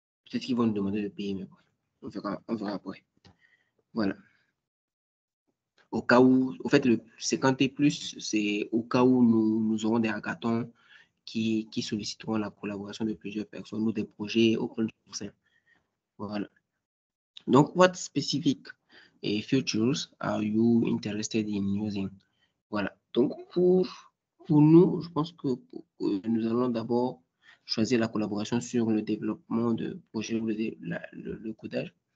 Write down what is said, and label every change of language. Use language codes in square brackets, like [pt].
[fr] Peut-être qu'ils vont nous demander de payer, mais bon, on verra après. Voilà. Au cas où, au fait, le 50 et plus, c'est au cas où nous aurons des hackathons qui solliciteront la collaboration de plusieurs personnes ou des projets open source. Voilà. [en] Donc, what specific features are you interested in using? [fr] Voilà. Donc, pour nous, je pense que nous allons d'abord choisir la collaboration sur le développement de projet ou le codage.